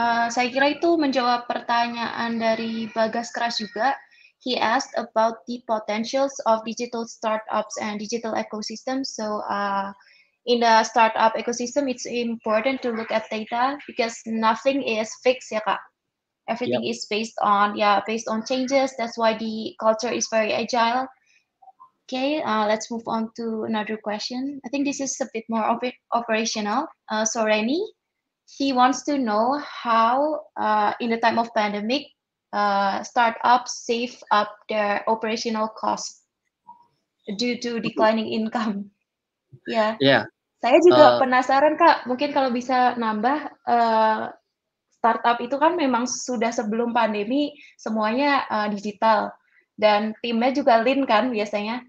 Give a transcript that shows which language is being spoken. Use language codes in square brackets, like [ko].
[id] Saya kira itu menjawab pertanyaan dari Bagas Keras juga. [en] He asked about the potentials of digital startups and digital ecosystem. So in the startup ecosystem, it's important to look at data because nothing is fixed, [id] ya kak. [en] Everything is based on changes. That's why the culture is very agile. Okay, let's move on to another question. I think this is a bit more operational. So Reni, he wants to know how in the time of pandemic, startups save up their operational costs due to declining income. [id] Saya juga penasaran kak, mungkin kalau bisa nambah, startup itu kan memang sudah sebelum pandemi semuanya digital dan timnya juga lean kan biasanya.